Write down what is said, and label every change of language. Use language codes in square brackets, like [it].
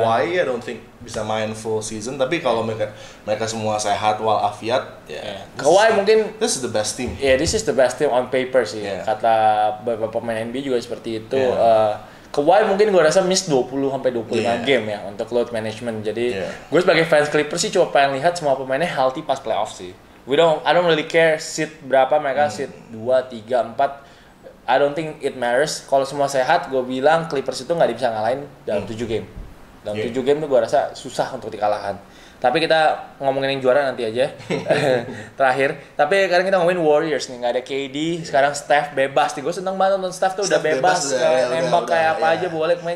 [en] Kawhi, I don't think [id] bisa main [en] full season. [id] Tapi kalau mereka semua sehat walafiat, Kawhi mungkin. [en] This is the best team. Iya, this is the best team on paper sih. Yeah. [id] Kata beberapa pemain NBA juga seperti itu. Kawhi mungkin gue rasa miss 20-25 game ya untuk load management. Jadi gue sebagai fans Clippers sih coba pengen lihat semua pemainnya healthy pas playoff sih. [en] I don't really care seat [id] berapa mereka, [en] seat 2, 3, 4. I don't think it matters. [id] Kalau semua sehat, gue bilang Clippers itu nggak bisa ngalahin dalam 7 game. Dalam 7 game itu gue rasa susah untuk dikalahkan. Tapi kita ngomongin yang juara nanti aja. Terakhir. Tapi sekarang kita ngomongin Warriors nih. Nggak ada KD, sekarang Steph bebas nih. Gue seneng banget nonton Steph tuh udah bebas nembak kayak apa aja boleh main.